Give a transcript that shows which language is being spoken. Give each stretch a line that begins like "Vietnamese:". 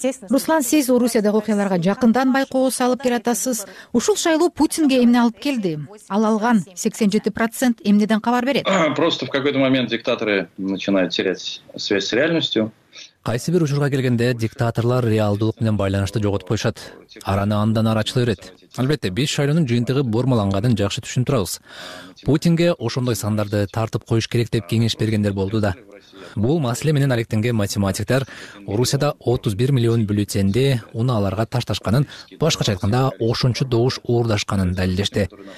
Kyrgyz: Руслан, сиз Орусиядагы окуяларга жакындан байкоо салып келатасыз. Ушул шайлоо Путинге эмне алып келди? Ал алган 87% эмнеден кабар берет?
Russian: Просто в какой-то момент диктаторы начинают терять связь с реальностью.
Kyrgyz: Кайсы бир учурга келгенде диктаторлор реалдык менен байланышты жоготпойшат. Араны андан ары ачыла берет. Албетте, биз шайлоонун жыйынтыгы бормаланганын жакшы түшүнүп турабыз. Путинге ошондой сандарды тартып коюш керек деп кеңеш бергендер болду да. Бул маселе менен алектенген математиктер Орусияда 31 миллион бюллетенди унааларга ташташканын, башкача айтканда ошончу добуш уурдашканын далилдешти.